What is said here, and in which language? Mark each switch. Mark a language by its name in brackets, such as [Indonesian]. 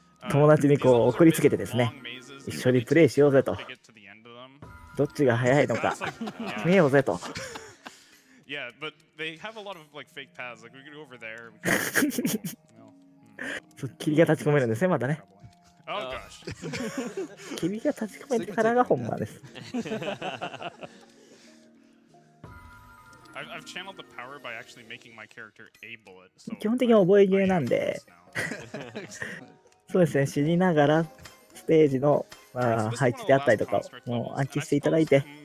[Japanese] 友達にこう送りつけてですね、一緒にプレイしようぜと。どっちが早いのか、決めようぜと。 [English] Yeah, but they have a lot of like fake paths. Like we could go over there. [Japanese] そう、霧が立ち込めるんですね、またね。 [English] Oh gosh. [Japanese] 霧が立ち込めてからが本番です。 [English] I've channeled the power by actually making my character a bullet. [Japanese] 基本的に覚えゲーなんで。そうですね、死にながらステージの、まあ、配置であったりとかもう暗記していただいて。